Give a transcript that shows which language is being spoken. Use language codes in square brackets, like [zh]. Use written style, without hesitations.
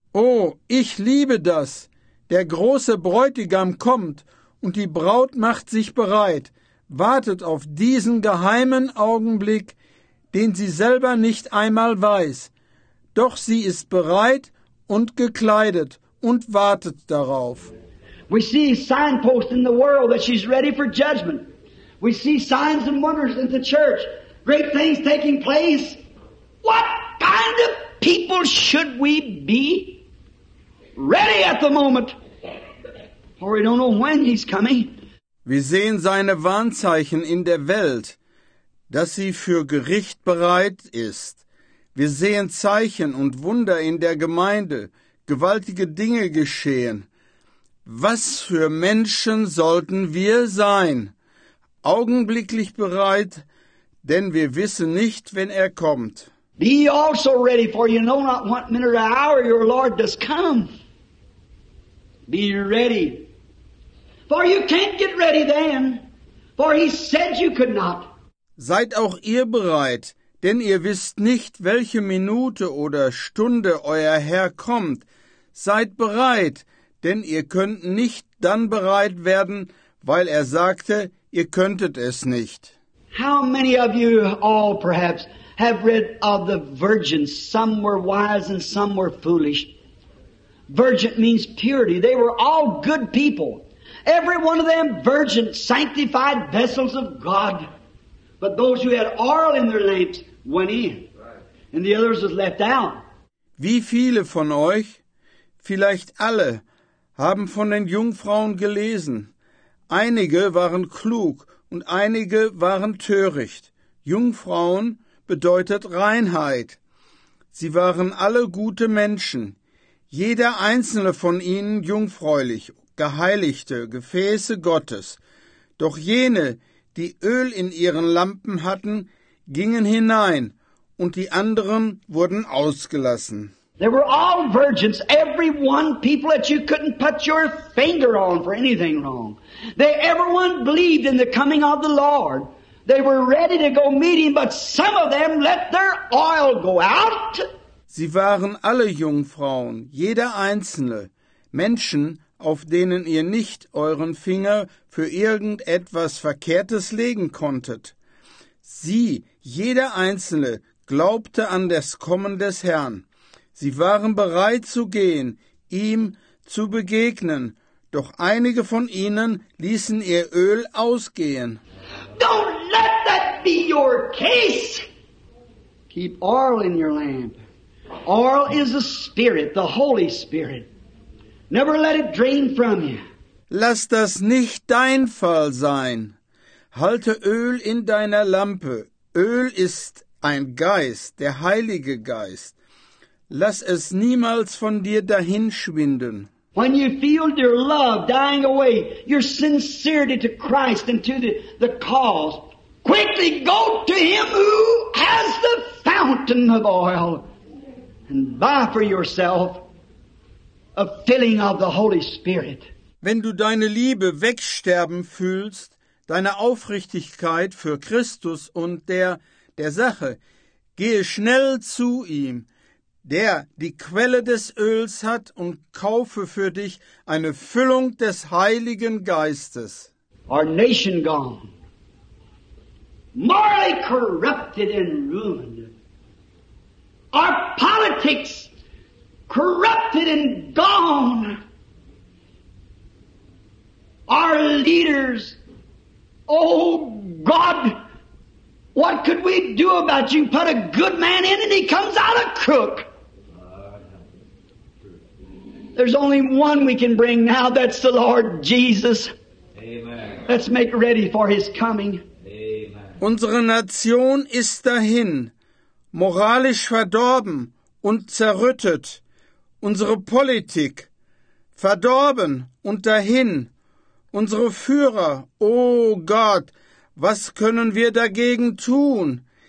[de] Oh, ich liebe das. Der große Bräutigam kommt und die Braut macht sich bereit, wartet auf diesen geheimen Augenblick, den sie selber nicht einmal weiß. Doch sie ist bereit und gekleidet und wartet darauf. [en] We see signposts in the world that she's ready for judgment. We see signs and wonders in the church. Great things taking place. What kind of people should we be ready at the moment? For we don't know when he's coming. [de] Wir sehen seine Warnzeichen in der Welt, dass sie für Gericht bereit ist. Wir sehen Zeichen und Wunder in der Gemeinde, gewaltige Dinge geschehen. Was für Menschen sollten wir sein? Augenblicklich bereit, denn wir wissen nicht, wenn er kommt. [en] Be ye also ready, for you know not what minute or hour your Lord does come. Be ye ready, for you can't get ready then, for he said you could not. [de] Seid auch ihr bereit, denn ihr wisst nicht, welche Minute oder Stunde euer Herr kommt. Seid bereit, denn ihr könnt nicht dann bereit werden, weil er sagte, ihr könntet es nicht. [en] How many of you all perhaps have read of the virgins? Some were wise and some were foolish. Virgin means purity. They were all good people. Every one of them virgin, sanctified vessels of God. But those who had oil in their lamps went in. And the others was left out. [de] Wie viele von euch, vielleicht alle, haben von den Jungfrauen gelesen? Einige waren klug und einige waren töricht. Jungfrauen bedeutet Reinheit. Sie waren alle gute Menschen, jeder einzelne von ihnen jungfräulich, geheiligte Gefäße Gottes. Doch jene, die Öl in ihren Lampen hatten, gingen hinein, und die anderen wurden ausgelassen. [en] They were all virgins, every one people that you couldn't put your finger on for anything wrong. They everyone believed in the coming of the Lord. They were ready to go meet him, but some of them let their oil go out. [de] Sie waren alle Jungfrauen, jeder einzelne, Menschen, auf denen ihr nicht euren Finger für irgendetwas Verkehrtes legen konntet. Sie, jeder einzelne, glaubte an das Kommen des Herrn. Sie waren bereit zu gehen, ihm zu begegnen, doch einige von ihnen ließen ihr Öl ausgehen. [en] Don't let that be your case. Keep oil in your lamp. Oil is a spirit, the Holy Spirit. Never let it drain from you. [de] Lass das nicht dein Fall sein. Halte Öl in deiner Lampe. Öl ist ein Geist, der Heilige Geist. Lass es niemals von dir dahinschwinden. [en] When you feel your love dying away, your sincerity to Christ and to the cause, quickly go to him who has the fountain of oil and buy for yourself a filling of the Holy Spirit. [de] Wenn du deine Liebe wegsterben fühlst, deine Aufrichtigkeit für Christus und der Sache, gehe schnell zu ihm, der die Quelle des Öls hat, und kaufe für dich eine Füllung des Heiligen Geistes. [en] Our nation gone, morally corrupted and ruined. Our politics corrupted and gone. Our leaders, oh God, what could we do about you? Put a good man in and he comes out a crook. There's only one we can bring now, that's the Lord Jesus. Amen. Let's make ready for his coming. Amen. [de] Unsere Nation ist dahin, moralisch verdorben und zerrüttet. Unsere Politik, verdorben und dahin. Unsere Führer, oh Gott, was können wir dagegen tun?